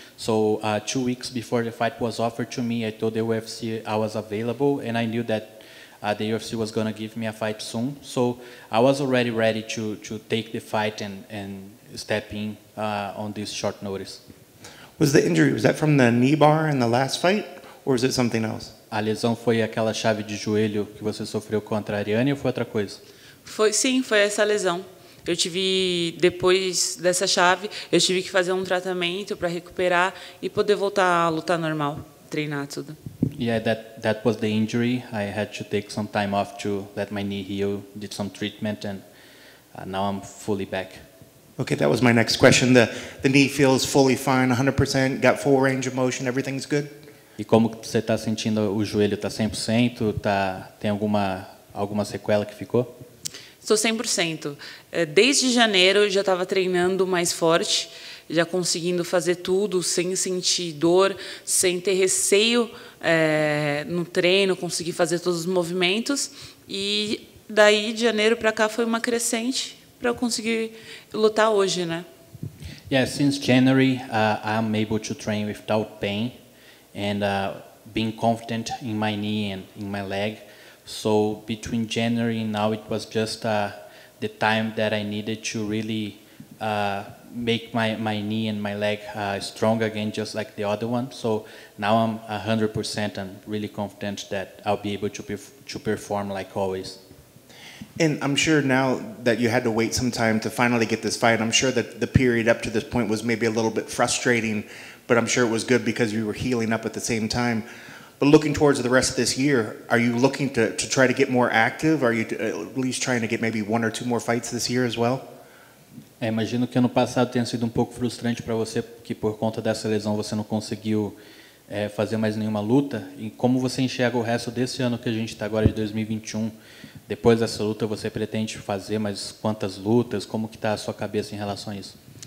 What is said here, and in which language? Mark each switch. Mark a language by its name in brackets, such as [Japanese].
[English] So 2 weeks before the fight was offered to me, I told the UFC I was available and I knew that the UFC was going to give me a fight soon. So I was already ready to take the fight and step in on this short notice. Was the injury, was that from the knee bar in the last fight or is it something else? [Portuguese] A lesão foi aquela chave de joelho que você sofreu contra a Ariane ou foi outra coisa? Foi essa lesão. Eu tive, depois dessa chave, eu tive que fazer um tratamento para recuperar e poder voltar a lutar normal, treinar tudo. [English] Yeah, that was the injury. I had to take some time off to let my knee heal, did some treatment and now I'm fully back. Okay, that was my next question. The knee feels fully fine, 100%, got full range of motion, everything's good. [Portuguese] E como você está sentindo o joelho? Está 100%? Tem alguma sequela que ficou? Estou 100%. Desde janeiro eu já estava treinando mais forte, já conseguindo fazer tudo sem sentir dor, sem ter receio no treino, consegui fazer todos os movimentos. E daí, de janeiro para cá, foi uma crescente para eu conseguir lutar hoje, né? [English] Yeah, since January, I'm able to train without pain. And being confident in my knee and in my leg. So between January and now, it was just the time that I needed to really make my knee and my leg strong again, just like the other one. So now I'm 100% and really confident that I'll be able to perform like always. And I'm sure now that you had to wait some time to finally get this fight, I'm sure that the period up to this point was maybe a little bit frustrating, but I'm sure it was good because you were healing up at the same time. But looking towards the rest of this year, are you looking to try to get more active? Are you at least trying to get maybe one or two more fights this year as well? [Portuguese] É, imagino que ano passado tenha sido um pouco frustrante para você, que por conta dessa lesão você não conseguiu fazer mais nenhuma luta. E como você enxerga o resto desse ano que a gente está agora, de 2021, depois dessa luta, você pretende fazer mais quantas lutas? Como que está a sua cabeça em relação a isso?